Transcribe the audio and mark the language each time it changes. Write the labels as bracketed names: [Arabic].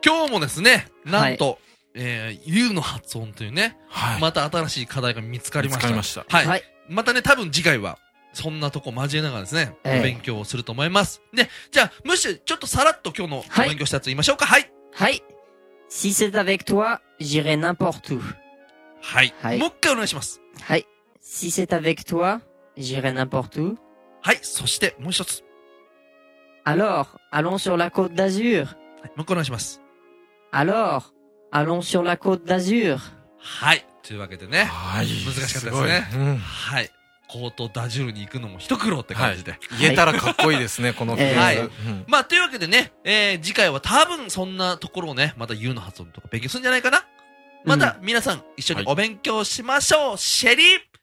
[Japanese] 今日もですね、なんと、はい、U の発音というね、はい、また新しい課題が見つかりました。見つかりました。はい。はい、またね、多分次回は、そんなとこ交えながらですね、勉強をすると思います。ね、じゃあ、むしろ、ちょっとさらっと今日の勉強したやつ言いましょうか。はい。はい。 [French] Si c'est avec toi, j'irai n'importe où。 [Japanese] はい。もう一回お願いします。はい。 [French] Si c'est avec toi, j'irai n'importe où。 [Japanese] はい。そして、もう一つ。 [French] Alors, allons sur la côte d'Azur。 [Japanese] はい。もう一回お願いします。 [French] Alors,Allons sur la côte d'Azur. [Japanese] はい。というわけでね。はい。難しかったですね。うん、はい。コートダジュールに行くのも一苦労って感じで。はい、言えたらかっこいいですね、このフレーズ。はい。まあ、というわけでね、次回は多分そんなところをね、また U の発音とか勉強するんじゃないかな。また皆さん一緒にお勉強しましょう。うん、シェリー、